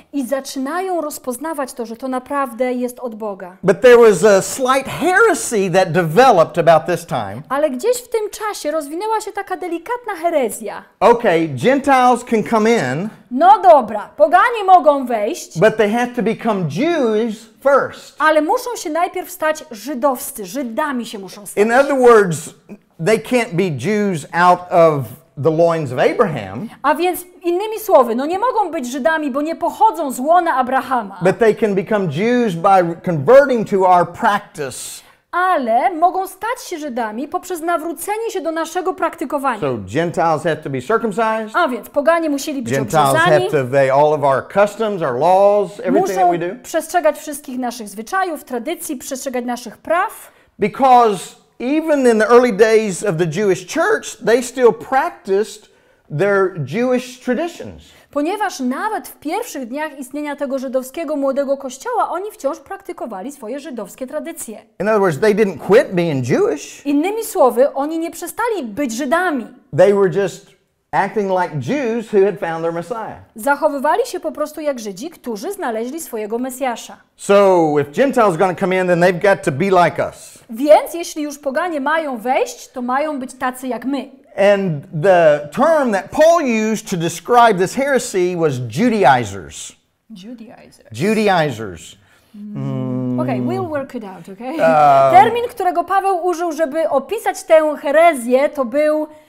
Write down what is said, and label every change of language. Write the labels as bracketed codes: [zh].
[pl] I zaczynają rozpoznawać to, że to naprawdę jest od Boga. [en] But there was a slight heresy that developed about this time. [pl] Ale gdzieś w tym czasie rozwinęła się taka delikatna herezja. [en] Okay, Gentiles can come in. [pl] No dobra, poganie mogą wejść. [en] But they have to become Jews first. [pl] Ale muszą się najpierw stać żydowscy, Żydami się muszą stać. [en] In other words, they can't be Jews out of the loins of Abraham. [pl] A więc innymi słowy, no nie mogą być Żydami, bo nie pochodzą z łona Abrahama. [en] But they can become Jews by converting to our practice. [pl] Ale mogą stać się Żydami poprzez nawrócenie się do naszego praktykowania. [en] So Gentiles have to be circumcised. [pl] A więc poganie musieli być [en] Gentiles [pl] obrzezani. [en] Gentiles have to obey all of our customs, our laws, everything [pl] muszą [en] that we do. [pl] Muszą przestrzegać wszystkich naszych zwyczajów, tradycji, przestrzegać naszych praw. [en] Because even in the early days of the Jewish church, they still practiced their Jewish traditions. [pl] Ponieważ nawet w pierwszych dniach istnienia tego żydowskiego młodego kościoła, oni wciąż praktykowali swoje żydowskie tradycje. [en] In other words, they didn't quit being Jewish. [pl] Innymi słowy, oni nie przestali być Żydami. [en] They were just acting like Jews who had found their Messiah. [pl] Zachowywali się po prostu jak Żydzi, którzy znaleźli swojego Mesjasza. [en] So if Gentiles are going to come in, then they've got to be like us. [pl] Więc jeśli już poganie mają wejść, to mają być tacy jak my. [en] And the term that Paul used to describe this heresy was Judaizers. Judaizers. Judaizers. Okay, we'll work it out, okay? [pl] Termin, którego Paweł użył, żeby opisać tę herezję, to był